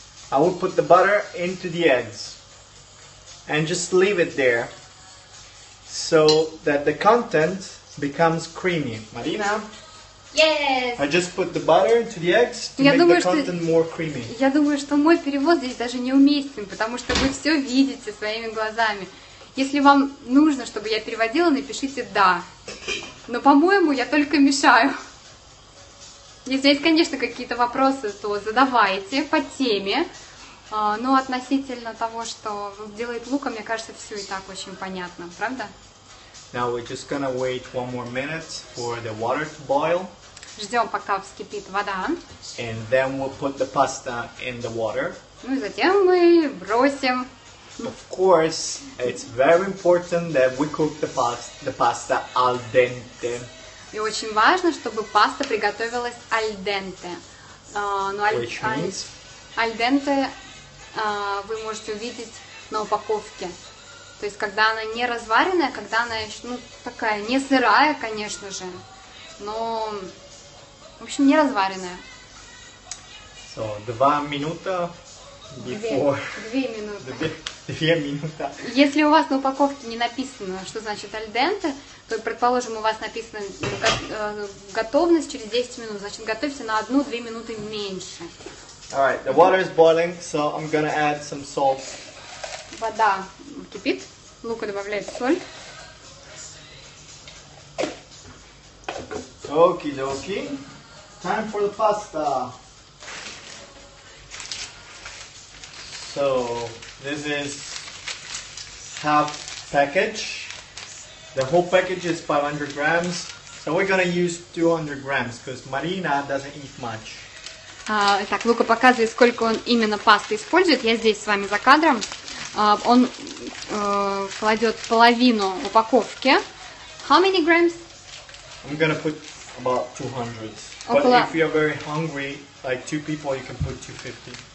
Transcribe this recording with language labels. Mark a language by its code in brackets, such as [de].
[en] I will put the butter into the eggs and just leave it there so that the content becomes creamy. Marina? Yes. I just put the butter into the eggs to make the content more creamy. [ru] Я думаю, что мой перевод здесь даже неуместен, потому что вы все видите своими глазами. Если вам нужно, чтобы я переводила, напишите да. Но, по-моему, я только мешаю. Если есть, конечно, какие-то вопросы, то задавайте по теме. Но относительно того, что делает Лука, мне кажется, все и так очень понятно, правда? [en] Now we're just gonna wait one more minute for the water to boil. [ru] Ждем, пока вскипит вода. [en] And then we'll put the pasta in the water. [ru] Ну и затем мы бросим. [en] Of course, it's very important that we cook the pasta al dente. [ru] И очень важно, чтобы паста приготовилась al dente. [en] Which means? [ru] Al dente вы можете увидеть на упаковке. То есть, когда она не разваренная, когда она еще, ну, такая, не сырая, конечно же, но, в общем, не разваренная. [en] So, [ru] 2 минуты [en] before... [ru] 2 минуты. 2 минуты. Если у вас на упаковке не написано, что значит al dente, то, предположим, у вас написано готовность через 10 минут, значит, готовься на 1-2 минуты меньше. [en] All right, the water is boiling, so I'm gonna add some salt. [ru] Вода кипит, Лука добавляет соль. [en] Okey-dokey, time for the pasta. So, this is half package. The whole package is 500 grams. So we're gonna use 200 grams because Marina doesn't eat much. [ru] Итак, Лука показывает, сколько он именно пасты использует. Я здесь с вами за кадром. Он кладет половину упаковки. [en] How many grams? I'm gonna put about 200. [ru] Около... [en] But if you're very hungry, like two people, you can put 250.